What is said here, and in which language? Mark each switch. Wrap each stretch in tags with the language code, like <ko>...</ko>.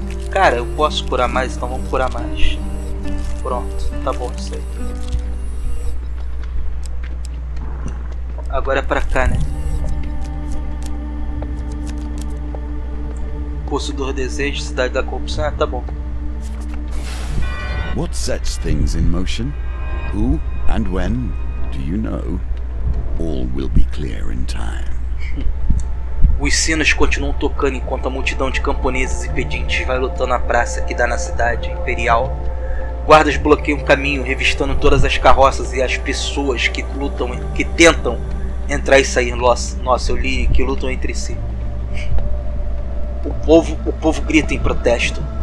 <pt>Cara, eu posso curar mais, então vamos curar mais. Pronto, tá bom isso aí. Agora é pra cá, né? Poço dos Desejos, Cidade da Corrupção, ah, tá bom.</pt> <en>What sets things in motion? Who and when? Do you know? All will be clear in time.</en> <pt>Os sinos continuam tocando enquanto a multidão de camponeses e pedintes vai lutando na praça que dá na cidade imperial. Guardas bloqueiam o caminho, revistando todas as carroças e as pessoas que lutam, que tentam entrar e sair. Nossa, eu li que lutam entre si. O povo grita em protesto.</pt>